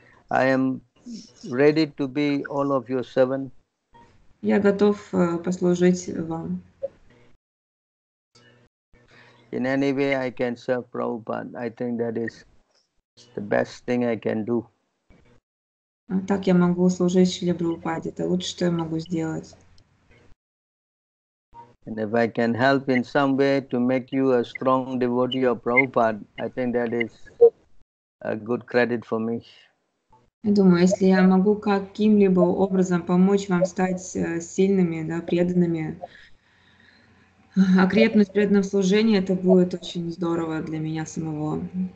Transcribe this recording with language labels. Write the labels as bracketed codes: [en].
[en] I am ready to be all of your servant. [ru] Я готов послужить вам. [en] In any way I can serve Prabhupada, I think that is the best thing I can do. [ru] Так я могу служить Шриле Прабхупаде, это лучшее, что я могу сделать. [en] And if I can help in some way to make you a strong devotee of Prabhupada, I think that is a good credit for me. [ru] Я думаю, если я могу каким-либо образом помочь вам стать сильными, да, преданными, окрепнуть в преданном служении, это будет очень здорово для меня самого.